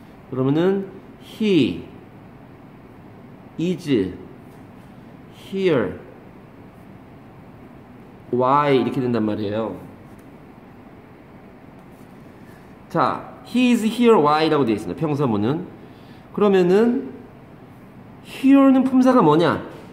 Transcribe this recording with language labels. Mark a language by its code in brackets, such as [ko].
[ko] 그러면은 [en] he is here. [ko] why 이렇게 된단 말이에요. [en] 자, he is here, why [ko] 라고 되어있습니다. 평서문은. 그러면은 here는 품사가 뭐냐?